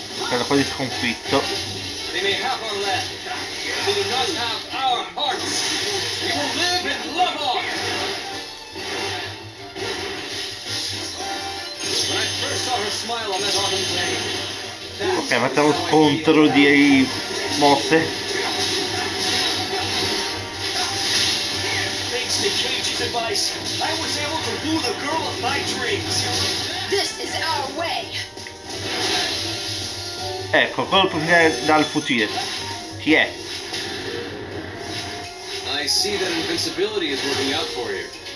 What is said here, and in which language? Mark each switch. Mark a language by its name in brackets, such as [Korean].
[Italian] Era quasi sconfitto. [English] They may have our land. They do not have our hearts. We will live and love on. When I first saw her smile on that autumn day. [Italian] Ok, facciamo scontro di mosse. [English] Thanks to Cage's advice, I was able to woo the girl of my dreams. This is our way. [Italian] Ecco, colpo finale dal fucile. Chi è? [English] I see that invincibility is working out for you.